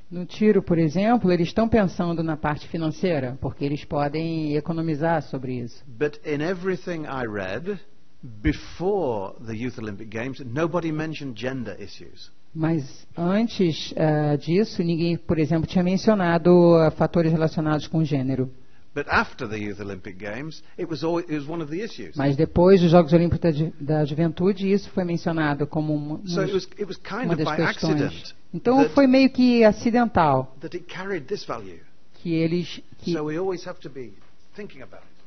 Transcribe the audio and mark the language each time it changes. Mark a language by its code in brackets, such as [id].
[pt] No tiro, por exemplo, eles estão pensando na parte financeira, porque eles podem economizar sobre isso. [en] But in everything I read, before the Youth Olympic Games, nobody mentioned gender issues. [pt] Mas antes disso, ninguém, por exemplo, tinha mencionado fatores relacionados com gênero. [en] But after the Youth Olympic Games, it was one of the issues. [pt] Mas depois dos Jogos Olímpicos da Juventude, isso foi mencionado como uma das questões. Então foi meio que acidental. [en] That it carried this value. So we always have to be thinking about it.